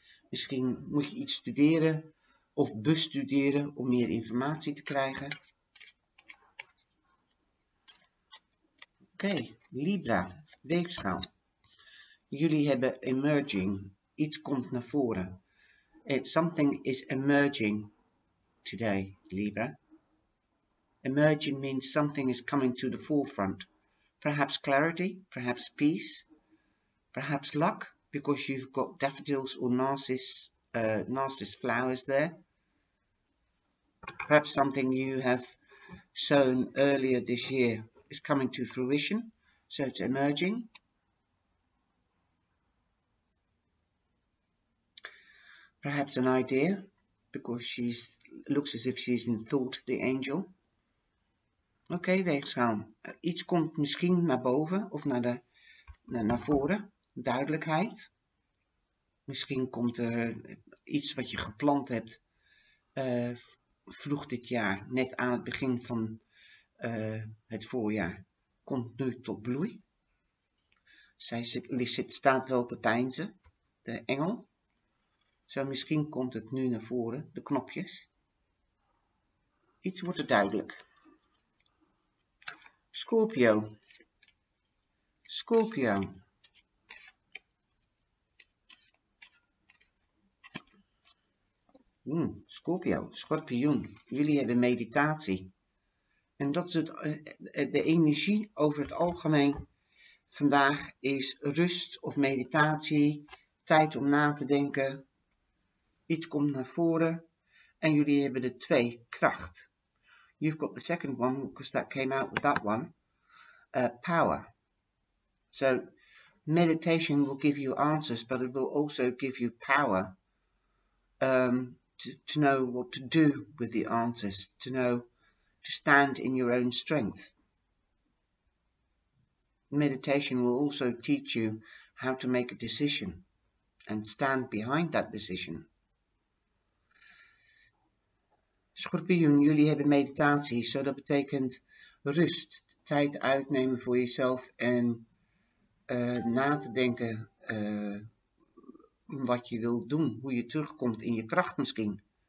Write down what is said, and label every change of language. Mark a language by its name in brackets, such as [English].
[Dutch] Misschien moet je iets studeren of bestuderen om meer informatie te krijgen. Oké, Libra, weegschaal. Jullie hebben emerging, iets komt naar voren. [English] Something is emerging today, Libra. Emerging means something is coming to the forefront. Perhaps clarity, perhaps peace, perhaps luck, because you've got daffodils or narcissus flowers there. Perhaps something you have sown earlier this year is coming to fruition, so it's emerging. Perhaps an idea, because she looks as if she's in thought, the angel. [Dutch] Oké, weegschaal. Iets komt misschien naar boven of naar voren. Duidelijkheid. Misschien komt er iets wat je gepland hebt vroeg dit jaar, net aan het begin van het voorjaar, komt nu tot bloei. Staat wel te peinzen, de engel. Zo, misschien komt het nu naar voren, de knopjes. Iets wordt er duidelijk. Scorpio. Scorpio. Scorpio, schorpioen. Jullie hebben meditatie. En dat is het, de energie over het algemeen. Vandaag is rust of meditatie, tijd om na te denken. Iets komt naar voren. En jullie hebben de twee, kracht. [English] You've got the second one, because that came out with that one. Power. So, meditation will give you answers, but it will also give you power. To know what to do with the answers, to know to stand in your own strength. Meditation will also teach you how to make a decision and stand behind that decision. [Dutch] Schorpioen, jullie hebben meditatie, so dat betekent rust, tijd uitnemen voor jezelf en na te denken wat je wilt doen, hoe je terugkomt in je kracht misschien.